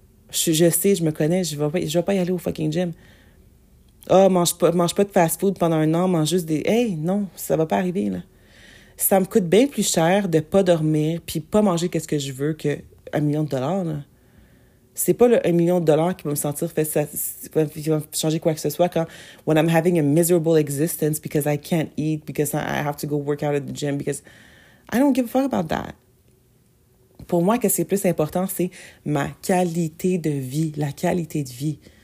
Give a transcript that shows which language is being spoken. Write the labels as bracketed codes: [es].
[fr] Je sais, je me connais, je vais pas y aller au fucking gym. Ah, oh, mange pas de fast-food pendant un an, mange juste des... Hey, non, ça va pas arriver, là. Ça me coûte bien plus cher de pas dormir puis pas manger qu'est-ce que je veux que $1,000,000, là. C'est pas le $1,000,000 qui va me sentir fait ça, qui va changer quoi que ce soit quand... [en] When I'm having a miserable existence because I can't eat, because I have to go work out at the gym, because I don't give a fuck about that. [fr] Pour moi, qu'est-ce qui est plus important, c'est ma qualité de vie, la qualité de vie.